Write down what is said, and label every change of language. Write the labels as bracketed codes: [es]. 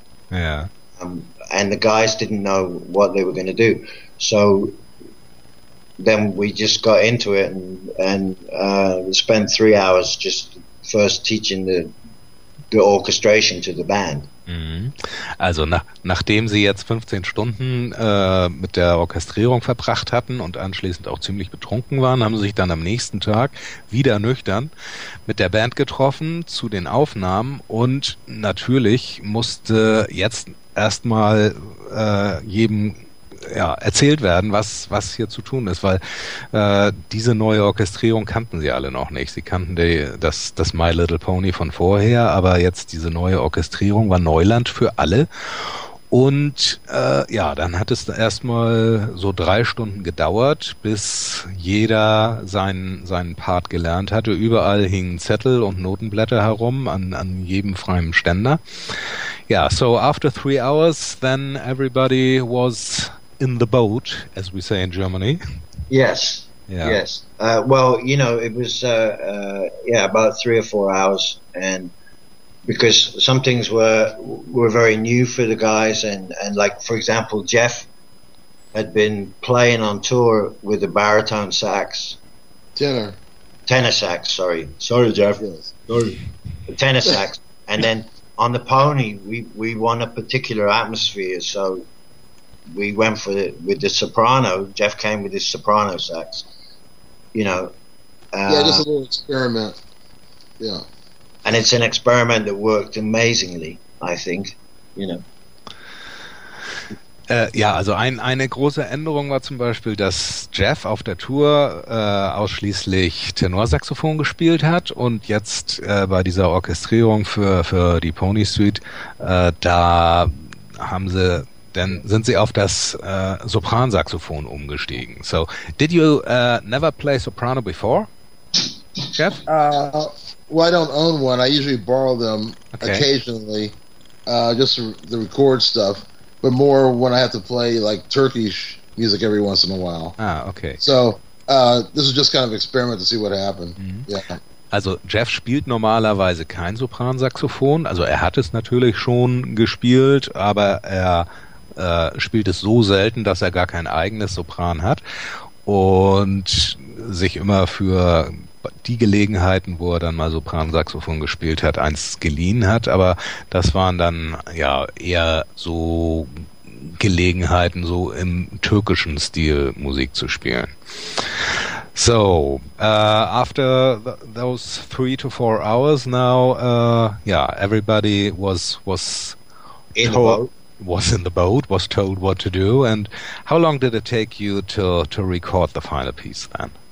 [en] Yeah. And the guys didn't know what they were going to do. So then we just got into it and spent 3 hours just first teaching the orchestration to the band. Mm-hmm. [de] Also nachdem sie jetzt 15 Stunden mit der Orchestrierung verbracht hatten und anschließend auch ziemlich betrunken waren, haben sie sich dann am nächsten Tag wieder nüchtern mit der Band getroffen zu den Aufnahmen, und natürlich musste jetzt erstmal jedem ja erzählt werden, was hier zu tun ist, weil diese neue Orchestrierung kannten sie alle noch nicht. Sie kannten das My Little Pony von vorher, aber jetzt diese neue Orchestrierung war Neuland für alle. Und ja, dann hat es erstmal so 3 Stunden gedauert, bis jeder seinen Part gelernt hatte. Überall hingen Zettel und Notenblätter herum an jedem freien Ständer. Ja, [en] so after 3 hours, then everybody was in the boat, as we say in Germany. Yes. Yeah. Yes. Well, you know, it was about 3 or 4 hours, and because some things were very new for the guys, and like, for example, Jeff had been playing on tour with the baritone sax. Tenor sax, sorry Jeff. Sorry. Tenor sax. And then on the Pony, we want a particular atmosphere, so we went for it with the soprano. Jeff came with his soprano sax, you know. Yeah, just a little experiment. Yeah. And it's an experiment that worked amazingly, I think, you know. [de] Ja, also eine große Änderung war zum Beispiel, dass Jeff auf der Tour ausschließlich Tenorsaxophon gespielt hat und jetzt bei dieser Orchestrierung für die Pony Suite, da haben sie, dann sind sie auf das Sopransaxophon umgestiegen. [en] So, did you never play soprano before, Jeff? Well, I don't own one. I usually borrow them occasionally, just to record stuff. But more when I have to play like Turkish music every once in a while. Ah, okay. So this is just kind of an experiment to see what happened. Mm-hmm. Yeah. [de] Also Jeff spielt normalerweise kein Sopransaxophon. Also er hat es natürlich schon gespielt, aber er spielt es so selten, dass er gar kein eigenes Sopran hat und sich immer für die Gelegenheiten, wo er dann mal Sopransaxophon gespielt hat, eins geliehen hat, aber das waren dann ja eher so Gelegenheiten, so im türkischen Stil Musik zu spielen. [en] So, after those 3 to 4 hours now, yeah, everybody was told what to do, and how long did it take you to record the final piece then?